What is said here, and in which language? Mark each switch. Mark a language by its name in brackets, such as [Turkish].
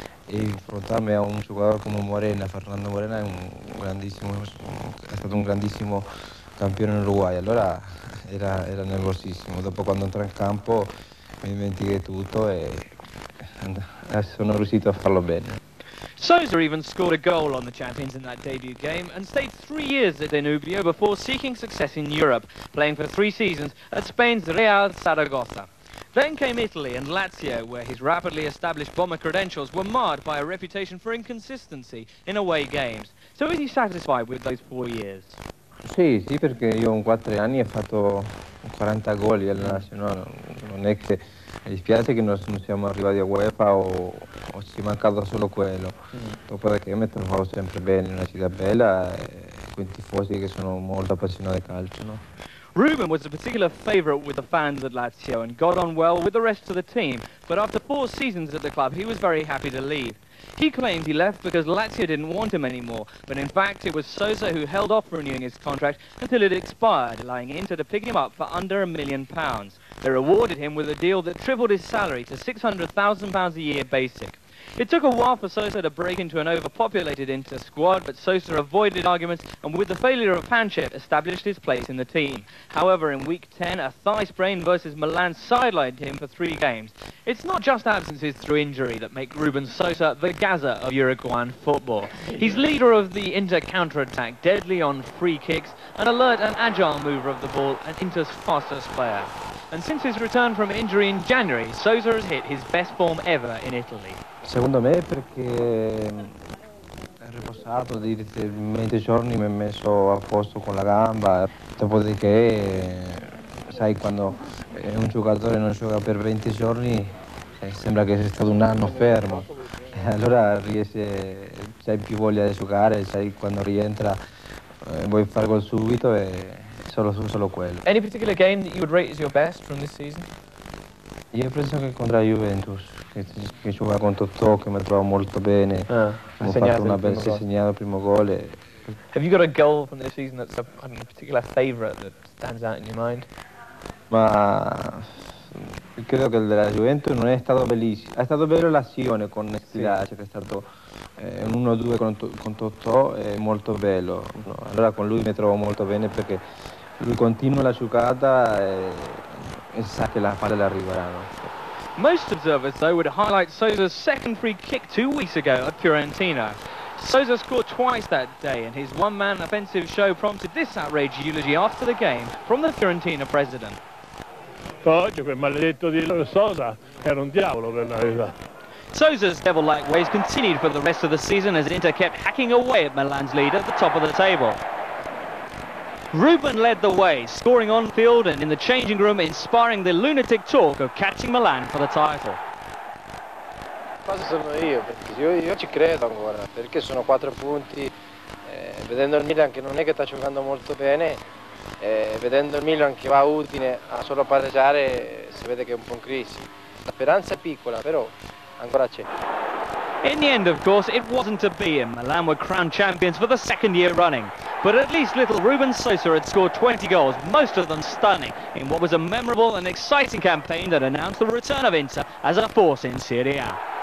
[Italian] E affrontarmi a un giocatore come Morena, Fernando Morena, è un grandissimo, è stato un grandissimo campione in Uruguay. Allora era nervosissimo. Dopo, quando entrò in campo, mi dimentichi tutto e sono riuscito a farlo bene. [English] Sosa even scored a goal on the champions in that debut game and stayed 3 years at Danubio before seeking success in Europe, playing for 3 seasons at Spain's Real Zaragoza. Then came Italy and Lazio, where his rapidly established bomber credentials were marred by a reputation for inconsistency in away games. So is he satisfied with those 4 years? [Italian] Sì, sì, perché io in 4 anni ho fatto 40 gol al nazionale. Non è che mi dispiace che non siamo arrivati a UEFA o ci è mancato solo quello. Dopodiché mi trovavo sempre bene in una città bella e con tifosi che sono molto appassionati di calcio, no? [English] Ruben was a particular favorite with the fans at Lazio and got on well with the rest of the team, but after 4 seasons at the club he was very happy to leave. He claimed he left because Lazio didn't want him anymore, but in fact it was Sosa who held off renewing his contract until it expired, allowing Inter to pick him up for under £1 million. They rewarded him with a deal that tripled his salary to £600,000 a year basic. It took a while for Sosa to break into an overpopulated Inter squad, but Sosa avoided arguments and with the failure of Panchev established his place in the team. However, in week 10, a thigh sprain versus Milan sidelined him for 3 games. It's not just absences through injury that make Ruben Sosa the Gaza of Uruguayan football. He's leader of the Inter counter-attack, deadly on free kicks, an alert and agile mover of the ball, and Inter's fastest player. And since his return from injury in January, Sosa has hit his best form ever in Italy. [Italian] Secondo me perché è riposato di 20 giorni, mi è messo a posto con la gamba, dopodiché sai quando un giocatore non gioca per 20 giorni sembra che sia stato un anno fermo, allora riesce, c'hai più voglia di giocare, sai quando rientra vuoi fare gol subito e solo quello. [English] Any particular game that you would rate as your best from this season? [Italian] Io penso che contro la Juventus, che giocava con Totò, che mi trovava molto bene, ha segnato il primo gol. E... [English] Have you got a goal from this season that's a particular favorite that stands out in your mind? [Italian] Ma credo che il della Juventus non è stato bellissimo, è stato bello l'azione con Stilace, sì. Che è stato un 1-2 con Totò, è molto bello. No, allora con lui mi trovo molto bene perché lui continua la giocata e sa che la palla arriverà. No? [English] Most observers, though, would highlight Sosa's second free kick 2 weeks ago at Fiorentina. Sosa scored twice that day, and his one-man offensive show prompted this outrageous eulogy after the game from the Fiorentina president. [Italian] Oggi quel maledetto di Sosa era un diavolo per la vita. [English] Sosa's devil-like ways continued for the rest of the season as Inter kept hacking away at Milan's lead at the top of the table. Ruben led the way, scoring on field and in the changing room, inspiring the lunatic talk of catching Milan for the title. [Italian] Cosa sono io? Perché io ci credo ancora, perché sono 4 punti, vedendo il Milan che non è che sta giocando molto bene, vedendo il Milan che va a Udine a solo pareggiare, si vede che è un po' in crisi. La speranza è piccola, però ancora c'è. [English] In the end, of course, it wasn't to be, and Milan were crowned champions for the second year running. But at least little Ruben Sosa had scored 20 goals, most of them stunning, in what was a memorable and exciting campaign that announced the return of Inter as a force in Serie A.